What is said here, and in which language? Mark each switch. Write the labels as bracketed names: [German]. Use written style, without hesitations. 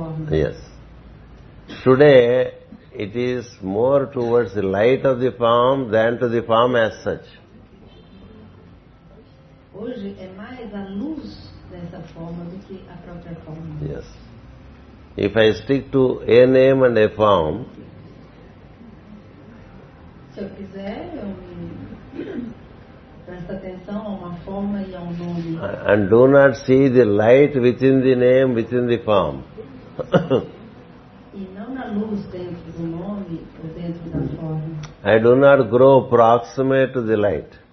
[English] Yes. Today, it is more towards the light of the form than to the form as such. [Portuguese] Hoje é mais a luz dessa forma do que a própria forma. [English] Yes. If I stick to a name and a form, [Portuguese] se eu quiser, eu me presto atenção a uma forma e a nome. [English] And do not see the light within the name, within the form. [Portuguese] E não na luz dentro do nome ou dentro da forma. [English] I do not grow proximate to the light.